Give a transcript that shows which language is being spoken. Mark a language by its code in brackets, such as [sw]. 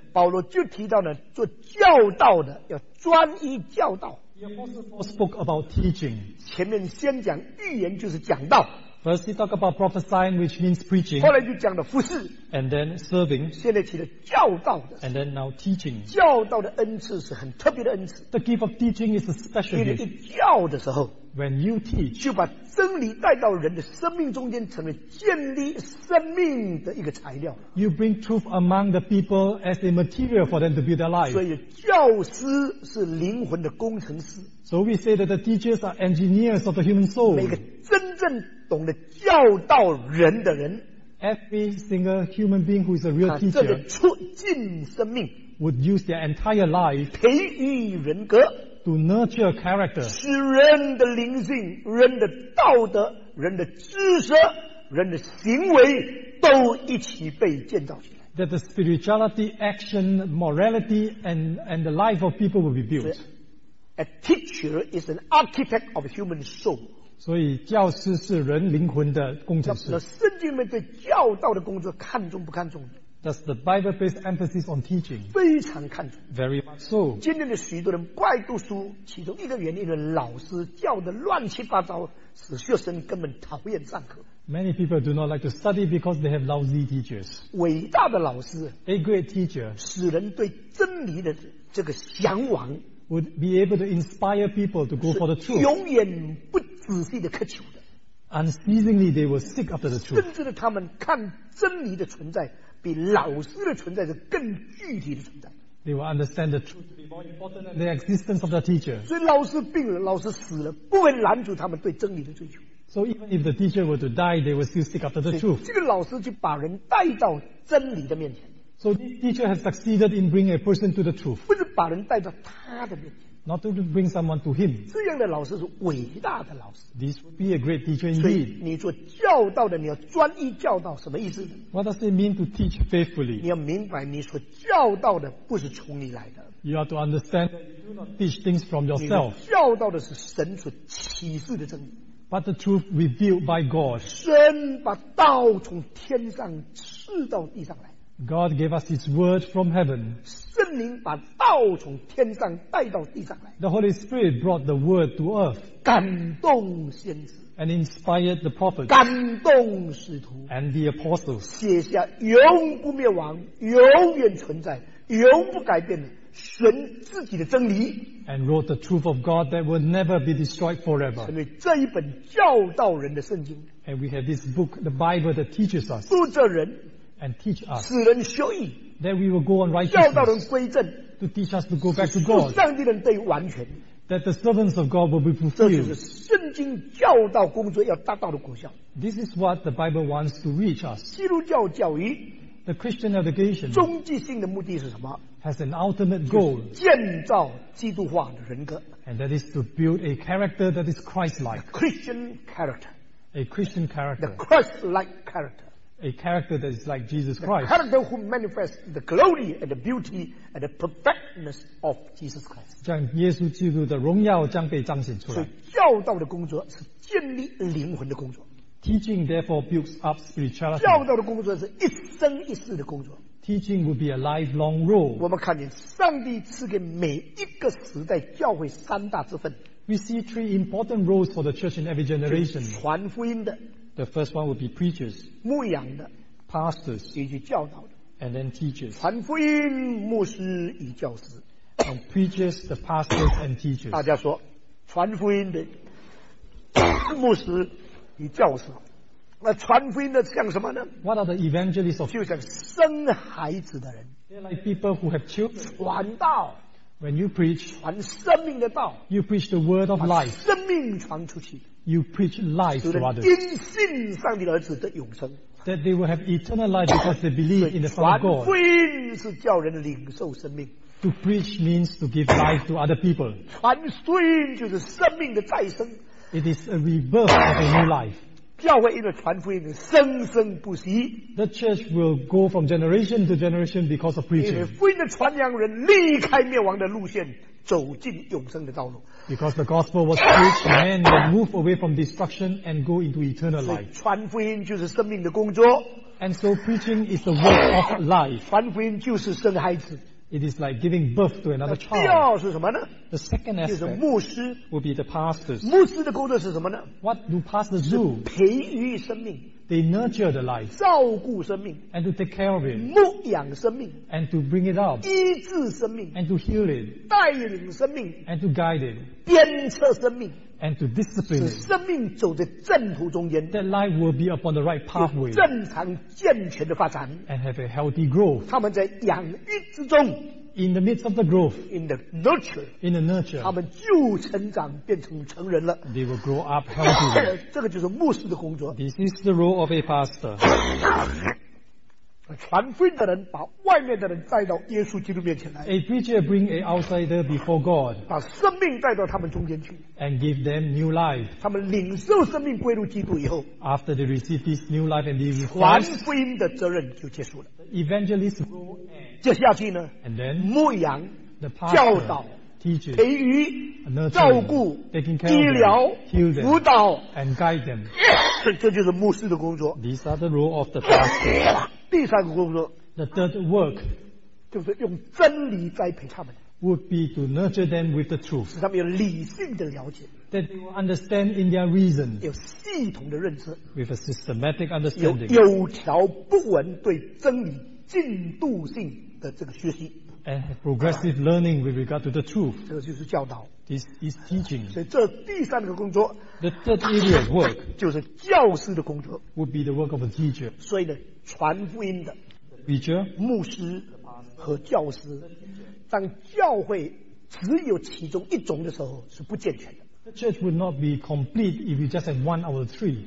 [zh] 保罗就提到了做教导的要专一教导。 [en] He also spoke about teaching. [zh] 前面先讲预言就是讲道。 [en] First he talked about prophesying, which means preaching. [zh] 后来就讲了服事。 [en] And then serving. [zh] 现在提了教导的。 [en] And then now teaching. [zh] 教导的恩赐是很特别的恩赐。 [en] The gift of teaching is a special gift. [zh] 因为你教的时候。 [en] When you teach. [zh] 就把真理带到人的生命中间成为建立生命的一个材料。 [en] You bring truth among the people as a material for them to build their life. [zh] 所以教师是灵魂的工程师。 [en] So we say that the teachers are engineers of the human soul. [zh] 每个真正懂得教导人的人。 [en] Every single human being who is a real teacher. [zh] 这个促进生命。 [en] Would use their entire life. [zh] 培育人格。 [en] To nurture character. [zh] 使人的灵性、人的道德、人的知识、人的行为都一起被建造起来。 [en] That the spirituality, action, morality, and the life of people will be built. A teacher is an architect of human soul. [zh] 所以教师是人灵魂的工程师。那圣经里面对教导的工作看重不看重？ [en] Does the Bible place emphasis on teaching? [zh] 非常看重。 [en] Very much so. [zh] 今天的许多人不爱读书，其中一个原因是老师教的乱七八糟，使学生根本讨厌上课。 [en] Many people do not like to study because they have lousy teachers. [zh] 伟大的老师 [en] ，a great teacher， [zh] 使人对真理的这个向往 [en] ，would be able to inspire people to go for the truth. [zh] 永远不仔细的苛求的。 [en] Unceasingly, they will seek after the truth. [zh] 甚至呢，他们看真理的存在。比老师的存在是更具体的存在。 [en] They will understand the truth to be more important than the existence of the teacher. [zh] 所以老师病了，老师死了，不会拦阻他们对真理的追求。 [en] So even if the teacher were to die, they would still stick after the truth. [zh] 这个老师就把人带到真理的面前。 [en] So this teacher has succeeded in bringing a person to the truth. [zh] 不是把人带到他的面前。 [en] Not to bring someone to him. [zh] 这样的老师是伟大的老师。 [en] This would be a great teacher indeed. [zh] 所以你做教导的，你要专一教导，什么意思？ [en] What does it mean to teach faithfully? [zh] 你要明白，你所教导的不是从你来的。 [en] You have to understand that you do not teach things from yourself. [zh] 你教导的是神所启示的真理。 [en] But the truth revealed by God. [zh] 神把道从天上赐到地上来。 [en] God gave us His word from heaven. [zh] 圣灵把道从天上带到地上来。 [en] The Holy Spirit brought the word to earth. [zh] 感动先知。 [en] And inspired the prophets. [zh] 感动使徒。 [en] And the apostles. [zh] 写下永不灭亡、永远存在、永不改变的神自己的真理。 [en] And wrote the truth of God that will never be destroyed forever. [zh] 成为这一本教导人的圣经。 [en] And we have this book, the Bible, that teaches us. [zh] 读这人。 [en] And teach us, [zh] 使人修义 [en] that we will go on righteousness, [zh] 教导人归正 [en] to teach us to go back to God, [zh] 使上帝人得完全 [en] that the servants of God will be fulfilled. [zh] 这就是圣经教导工作要达到的果效。 [en] This is what the Bible wants to reach us. [zh] 基督教教义 [en] the Christian education, [zh] 终极性的目的是什么？ [en] has an ultimate goal, [zh] 建造基督化的人格。 [en] And that is to build a character that is Christ-like. Christian character. A Christian character. The Christ-like character. A character that is like Jesus Christ. The character who manifests the glory and the beauty and the perfectness of Jesus Christ. [zh] 让耶稣基督的荣耀将被彰显出来。所以教导的工作是建立灵魂的工作。 [en] Teaching therefore builds up spirituality. [zh] 教导的工作是一生一世的工作。 [en] Teaching would be a lifelong role. [zh] 我们看见上帝赐给每一个时代教会三大职分。 [en] We see three important roles for the church in every generation. [zh] 传福音的。 [en] The first one would be preachers, [zh] 牧羊的 [en] pastors, [zh] 以及教导的 [en] and then teachers. [zh] 传福音牧师与教师 [en] and preachers, the pastors and teachers. [zh] 大家说，传福音的牧师与教师，那传福音的像什么呢？ [en] What are the evangelists of? [zh] 就像生孩子的人 [en] They're like people who have children. [zh] 传道 [en] when you preach, [zh] 传生命的道 [en] you preach the word of life. [zh] 把生命传出去。 [en] You preach life to others. [zh] 因信上帝的儿子得永生。 [en] That they will have eternal life because they believe in the Son of God. [zh] 传福音是叫人领受生命。 [en] To preach means to give life to other people. [zh] 传福音就是生命的再生。 [en] It is a rebirth of a new life. [zh] 教会因为传福音生生不息。 [en] The church will go from generation to generation because of preaching. [zh] 因为福音的传扬人离开灭亡的路线。走进永生的道路。 [en] Because the gospel was preached, man will move away from destruction and go into eternal life. [zh] 传福音就是生命的工作。 [en] And so preaching is the work of life. [zh] 传福音就是生孩子。 [en] It is like giving birth to another child. [zh] 第二是什么呢？ [en] The second aspect [zh] 就是牧师。 [en] Will be the pastors. [zh] 牧师的工作是什么呢？ [en] What do pastors do? [zh] 培育生命。 [en] They nurture the life. [zh] 照顾生命。 [en] And to take care of it. [zh] 牧养生命。 [en] And to bring it up. [zh] 医治生命。 [en] And to heal it. [zh] 带领生命。 [en] And to guide it. [zh] 鞭策生命。 [en] And to discipline it. [zh] 使生命走在正途中间。 [en] That life will be upon the right pathway. [zh] 正常健全的发展。 [en] And have a healthy growth. [zh] 他们在养育之中。 [en] In the midst of the growth. In the nurture. In the nurture. [zh] 他们就成长变成成人了。 [en] They will grow up healthy. [zh] 这个就是牧师的工作。 [en] This is the role of a pastor. [zh] 传福音的人把外面的人带到耶稣基督面前来。 [en] A preacher bring an outsider before God. [zh] 把生命带到他们中间去。 [en] And give them new life. [zh] 他们领受生命归入基督以后。 [en] After they receive this new life and they receive. [zh] 传福音的责任就结束了。 [en] Evangelist. [zh] 接下去呢？ [en] And then. [zh] 牧羊。 [en] The pastor. [zh] 教导。 [en] Teaching. [zh] 培育。 [en] Nurturing. [zh] 照顾。 [en] Taking care of them. [zh] 医疗。 [en] Heal them. [zh] 辅导。 [en] And guide them. [zh] 这就是牧师的工作。 [en] These are the role of the pastor. [zh] 第三个工作 [en] ，the third work， [zh] 就是用真理栽培他们 [en] ，would be to nurture them with the truth， [zh] 使他们有理性的了解 [en] ，that they will understand in their reason， [zh] 有系统的认知 [en] ，with a systematic understanding， [zh] 有条不紊对真理进度性的这个学习 [en] ，and progressive learning with regard to the truth， [zh] 这个就是教导 [en] ，this is teaching， [zh] 所以这第三个工作 [en] ，the third area of work， [zh] 就是教师的工作 [en] ，would be the work of a teacher， [zh] 所以呢。传福音的 [en] Preacher, [zh] 牧师和教师当教会只有其中一种的时候是不健全的 [en] The church would not be complete if you just had one out of three